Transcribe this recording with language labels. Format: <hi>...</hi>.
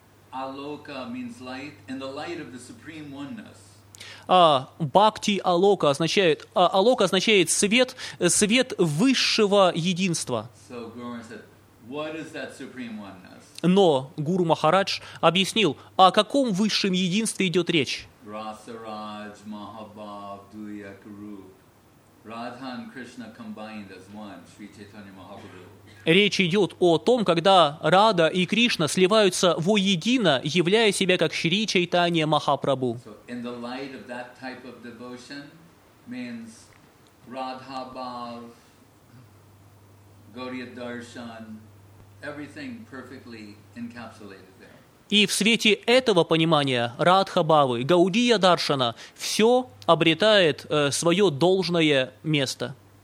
<en>Алока means light, and the light of the supreme oneness.</en> <ru>Бхакти алока означает алока означает свет, свет высшего единства.</ru> <en>So Guru said, what is that supreme oneness?</en> <ru>Но Гуру Махарадж объяснил, о каком высшем единстве идет речь. Расараj, Mahabhav, Duyak, Rup.</ru> <en>Radha and Krishna combined as one, Sri Chaitanya Mahaprabhu.</en> <ru>Речь идет о том, когда Рада и Кришна сливаются воедино, являя себя как Шри Чайтанья Махапрабху.</ru> <en>So in the light of that type of devotion means Radha Bhav, Gaudiya Darshan, everything perfectly encapsulated there.</en> <ru>И в свете этого понимания Радха Бхавы, Гаудия Даршана, все обретает свое должное место.</ru>